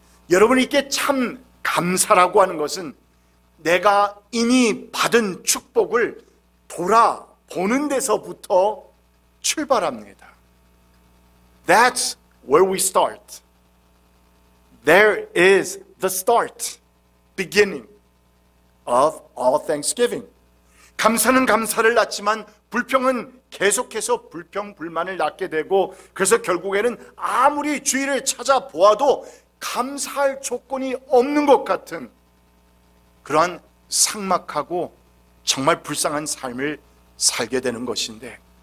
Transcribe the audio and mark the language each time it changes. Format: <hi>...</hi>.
<ko>여러분에게 참 감사라고 하는 것은 내가 이미 받은 축복을 돌아보는 데서부터 출발합니다.</ko> <en>That's where we start. There is the start, beginning of all thanksgiving.</en> <ko>감사는 감사를 낳지만 불평은 계속해서 불평, 불만을 낳게 되고 그래서 결국에는 아무리 주위를 찾아보아도 감사할 조건이 없는 것 같은 그러한 삭막하고 정말 불쌍한 삶을 살게 되는 것인데</ko>